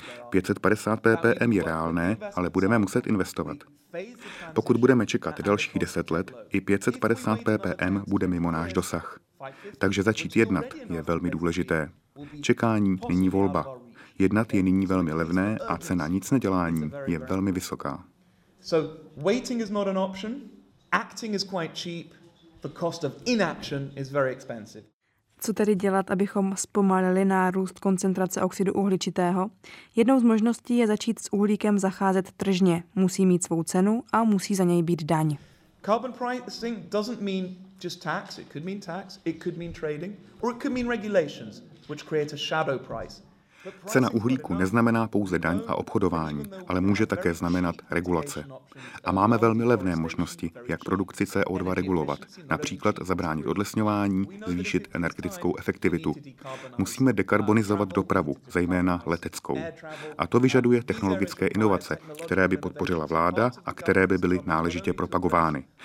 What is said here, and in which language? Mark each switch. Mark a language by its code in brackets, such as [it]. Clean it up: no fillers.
[cs] 550 ppm je reálné, ale budeme muset investovat. Pokud budeme čekat dalších 10 let, i 550 ppm bude mimo náš dosah. Takže začít jednat je velmi důležité. Čekání není volba. Jednat je nyní velmi levné a cena nic nedělání je velmi vysoká. [en] So waiting is not an option. Acting is quite cheap. The cost of inaction is very expensive. [cs] Co tedy dělat, abychom zpomalili nárůst koncentrace oxidu uhličitého? Jednou z možností je začít s uhlíkem zacházet tržně. Musí mít svou cenu a musí za něj být daň. [en] Carbon pricing doesn't mean just tax. It could mean tax, it could mean trading, or it could mean regulations, which create a shadow price. [cs] Cena uhlíku neznamená pouze daň a obchodování, ale může také znamenat regulace. A máme velmi levné možnosti, jak produkci CO2 regulovat, například zabránit odlesňování, zvýšit energetickou efektivitu. Musíme dekarbonizovat dopravu, zejména leteckou. A to vyžaduje technologické inovace, které by podpořila vláda a které by byly náležitě propagovány.